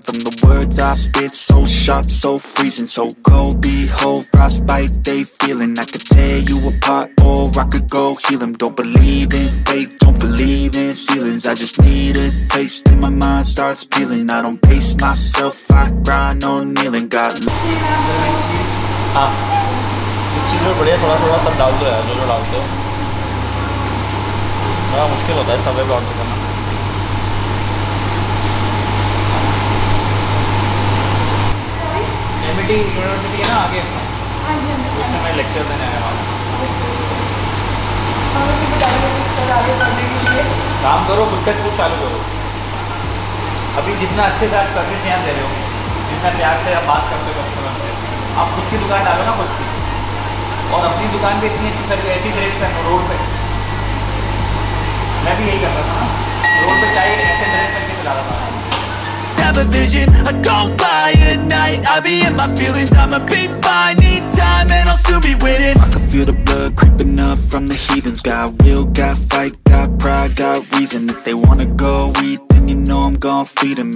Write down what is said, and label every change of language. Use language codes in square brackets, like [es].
[en] From the words I spit, so sharp, so freezing. So cold, behold, frostbite, they feeling. I could tear you apart or I could go heal them. Don't believe in faith, don't believe in ceilings. I just need a taste and my mind starts peeling. I don't pace myself, I grind on kneeling. Got love. [hi] हाँ, kitchen में बढ़िया थोड़ा थोड़ा सब डाल दो यार, जो जो डालते हो बड़ा मुश्किल होता है सब ब्लॉग करना। हाँ, एमिटी यूनिवर्सिटी है ना आगे, काम करो, खुद का स्कूल चालू करो। अभी जितना अच्छे से आप सर्विस यहाँ दे रहे हो, जितना प्यार से आप बात करते हो कस्टमर से, आप खुद की दुकान डालो ना खुद की, और अपनी दुकान पे इतनी अच्छी सर्विस ऐसी ड्रेस पहनो रोड पे। मैं भी यही कर रहा था ना, रोड पे चाहिए ऐसे ड्रेस पहन के चला रहा था। [en] Have a vision, I don't buy a night. I be in my feelings, I'ma be fine. Need time and I'll soon be with it. I can feel the blood creeping up from the heathens. Got will, got fight, got pride, got reason. If they wanna go eat, then you know I'm gonna feed them.